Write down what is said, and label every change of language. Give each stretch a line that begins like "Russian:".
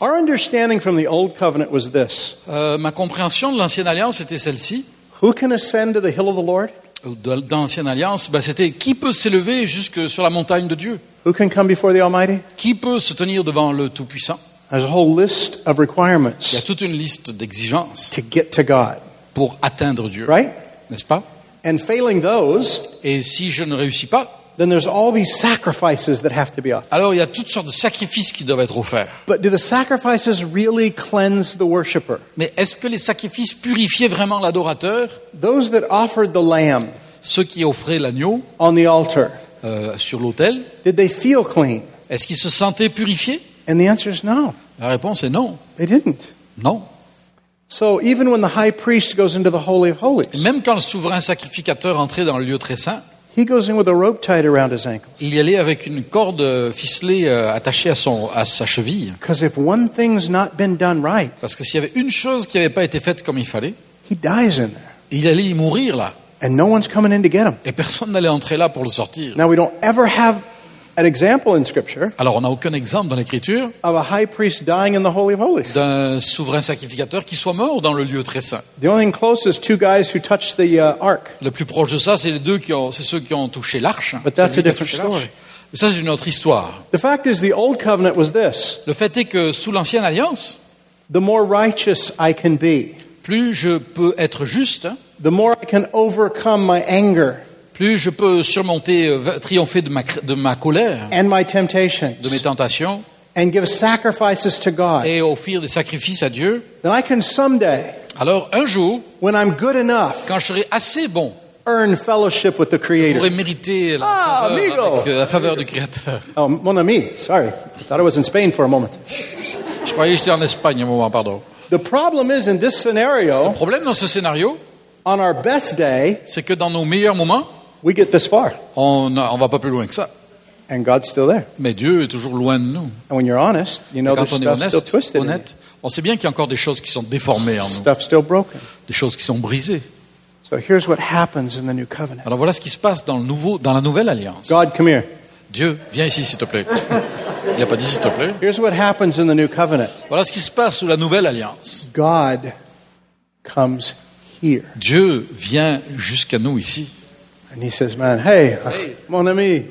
English: Our understanding from the old covenant was this.
French: Ma compréhension de l'ancienne alliance était celle-ci.
English: Who can ascend to the hill of the Lord?
French: Dans l'ancienne alliance, c'était qui peut s'élever jusque sur la montagne de Dieu?
English: Who can come before the Almighty?
French: Qui peut se tenir devant le Tout-Puissant?
English: There's a whole list of requirements.
French: Il y a toute une liste d'exigences.
English: To get to God.
French: Pour atteindre Dieu.
English: Right?
French: N'est-ce pas?
English: And failing those,
French: et si je ne réussis pas,
English: then there's all these sacrifices that have to be offered.
French: Alors il y a toutes sortes de sacrifices qui doivent être offerts.
English: But do the sacrifices really cleanse the worshipper?
French: Mais est-ce que les sacrifices purifiaient vraiment l'adorateur?
English: Those that offered the lamb,
French: ceux qui offraient l'agneau,
English: on the altar,
French: sur l'autel,
English: did they feel clean?
French: Est-ce qu'ils se sentaient purifiés?
English: And the answer is no.
French: La réponse est non.
English: They didn't.
French: Non.
English: So even when the high priest goes into the holy of holies,
French: même quand le souverain sacrificateur entrait dans le lieu très saint,
English: He goes in with a rope tied around his ankle.
French: Il y allait avec une corde ficelée attachée à sa cheville.
English: Because if one thing's not been done right,
French: parce que s'il y avait une chose qui n'avait pas été faite comme il fallait,
English: he dies in there.
French: Il allait y mourir là.
English: And no one's coming in to get him.
French: Et personne n'allait entrer là pour le sortir.
English: Now we don't ever have an example in Scripture.
French: Alors on n'a aucun exemple dans l'Écriture.
English: Of a high priest dying in the Holy of Holies.
French: D'un souverain sacrificateur qui soit mort dans le lieu très saint.
English: The only thing close is two guys who touched the ark.
French: Le plus proche de ça, c'est les deux ceux qui ont touché l'arche.
English: But that's a different story.
French: Mais ça c'est une autre histoire.
English: The fact is, the old covenant was this.
French: Le fait est que sous l'ancienne alliance,
English: the more righteous I can be,
French: plus je peux être juste.
English: The more I can overcome my anger,
French: plus je peux surmonter, triompher de ma colère,
English: and my temptations,
French: de mes tentations,
English: and give sacrifices to God,
French: et offrir des sacrifices à Dieu,
English: then I can someday,
French: alors un jour,
English: when I'm good enough,
French: quand je serai assez bon,
English: earn fellowship with the Creator.
French: Je pourrai mériter la faveur du Créateur.
English: Oh,
French: mon ami,
English: sorry, I thought I was in Spain for a moment.
French: Je croyais que j'étais en Espagne un moment, pardon.
English: The problem is in this scenario.
French: Le problème dans ce scénario.
English: On our best day,
French: c'est que dans nos meilleurs moments,
English: we get this far.
French: On va pas plus loin que ça.
English: And God's still there.
French: Mais Dieu est toujours loin de nous.
English: And when you're honest, you know
French: quand on est honnête,
English: still twisted
French: honnête, on sait bien qu'il y a encore des choses qui sont déformées en nous.
English: Stuff still broken.
French: Des choses qui sont brisées.
English: So here's what happens in the new covenant.
French: Alors voilà ce qui se passe dans la nouvelle alliance.
English: God, come here.
French: Dieu, viens ici, s'il te plaît. Il n'a pas dit s'il te plaît.
English: Here's what happens in the new covenant.
French: Voilà ce qui se passe sous la nouvelle alliance.
English: God comes.
French: Dieu vient jusqu'à nous ici.
English: And he says, man, hey,
French: mon ami,